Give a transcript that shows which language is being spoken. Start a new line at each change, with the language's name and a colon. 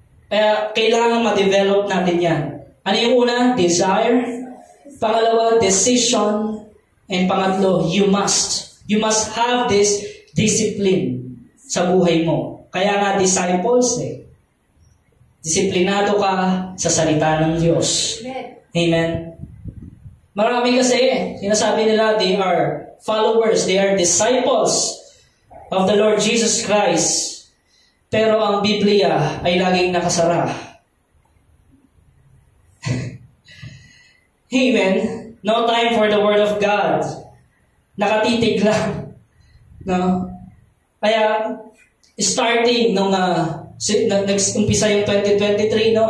Filipino: Kaya kailangan ma-develop natin yan. Ano yung una? Desire. Pangalawa, decision. And pangatlo,
English: you must. You must have this discipline
Filipino: sa buhay mo. Kaya nga disciples eh. Disiplinado ka sa salita ng Diyos. Amen. Marami kasi, sinasabi nila,
English: they are followers, they are disciples of the Lord Jesus Christ.
Filipino: Pero ang Biblia ay laging nakasara.
English: Amen. No time for the Word of God.
Filipino: Nakatitig lang.
English: No?
Filipino: Kaya, starting nung nag-umpisa yung 2023, no?